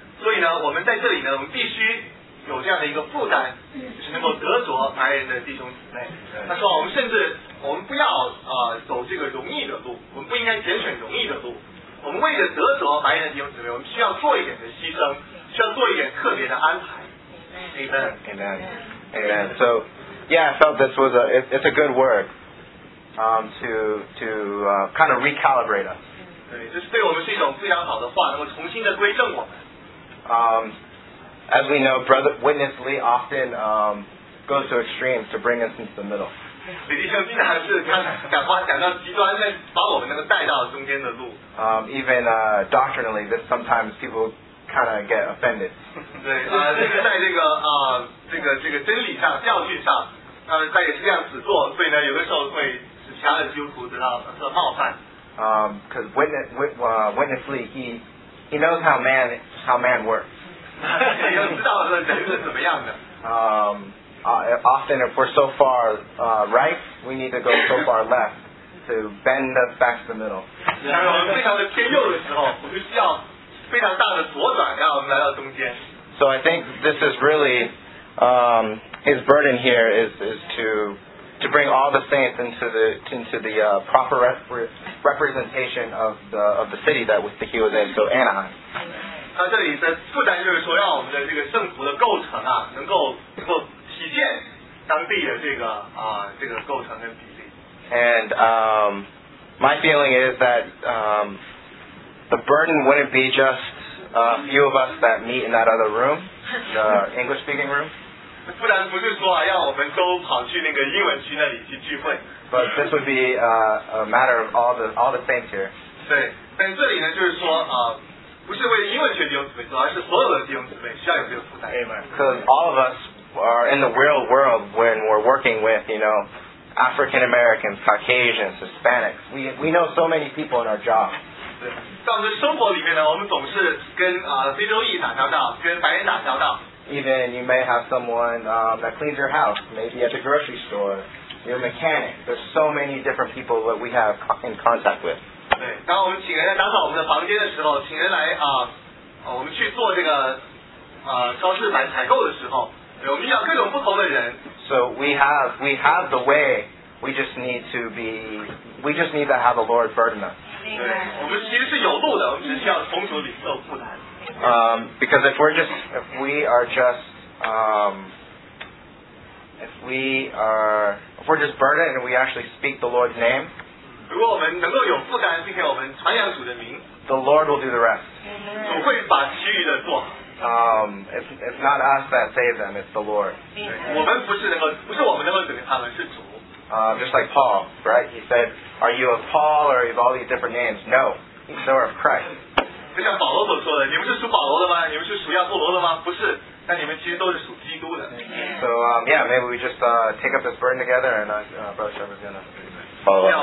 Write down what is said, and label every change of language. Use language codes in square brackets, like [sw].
[zh] 所以呢，我们在这里呢，我们必须有这样的一个负担，就是能够得着白人的弟兄姊妹。他说，我们甚至我们不要走这个容易的路，我们不应该拣选容易的路。我们为了得着白人的弟兄姊妹，我们需要做一点的牺牲，需要做一点特别的安排。 [en] Amen. Amen. Amen. So, yeah, I felt this was it's a good word to kind of recalibrate us. [zh] 对，这是对我们是一种非常好的话，能够重新的归正我们。 [en] As we know, Brother Witness Lee often goes to extremes to bring us into the middle. [zh] 李弟兄经常是讲到极端，来把我们能够带到中间的路。 [en] Even doctrinally, this sometimes people kind of get offended. [zh] 对，这个在这个真理上、教训上，他也是这样子做，所以呢，有的时候会使其他的基督徒得到冒犯。 [en] Because Witness Lee, he knows how man works. [zh] 他也知道人是怎么样的。 [en] Often, if we're so far right, we need to go so far left to bend us back to the middle. [zh] 当然，我们非常的偏右的时候，我们需要非常大的左转，让我们来到中间。 [en] So I think this is really his burden here is to bring all the saints into the proper representation of the city that he was in, so Anaheim. [zh] 那这里的负担就是说，让我们的这个圣徒的构成啊，能够体现当地的这个构成跟比例。 [en] And my feeling is that the burden wouldn't be just a few of us that meet in that other room, the English-speaking room. [zh] 不然不是说啊，让我们都跑去那个英文区那里去聚会。 [en] But this would be a matter of all the saints here. [zh] 对，但这里呢，就是说不是为英文区弟兄姊妹做，而是所有的弟兄姊妹需要有这个负担。 [en] Amen. Because all of us are in the real world when we're working with, you know, African Americans, Caucasians, Hispanics. We know so many people in our job. [zh] 在我们的生活里面呢，我们总是跟非洲裔打交道，跟白人打交道。 [en] Even you may have someone that cleans your house, maybe at the grocery store, your mechanic. There's so many different people that we have in contact with. [zh] 对，当我们请人来打扫我们的房间的时候，请人来我们去做这个超市买采购的时候，我们遇到各种不同的人。 [en] So we have the way. We just need to have the Lord burden us. [zh] 我们其实是有路的，我们只需要从主领受负担。 [en] Because if we're just burdened and we actually speak the Lord's name, [zh] 如果我们能够有负担，并且我们传扬主的名 [en] ，the Lord will do the rest. [zh] 主会把其余的做。 [en] It's not us that save them; it's the Lord. [zh] 我们不是我们能够拯救他们，是主。 [en] Just like Paul, right? He said, are you of Paul or of all these different names? No, he's of Christ. [zh] 就像保罗所说的，你们是属保罗的吗？你们是属亚波罗的吗？不是，那你们其实都是属基督的。 [en] So, yeah, maybe we just take up this burden together and Brother Trevor's going to follow up.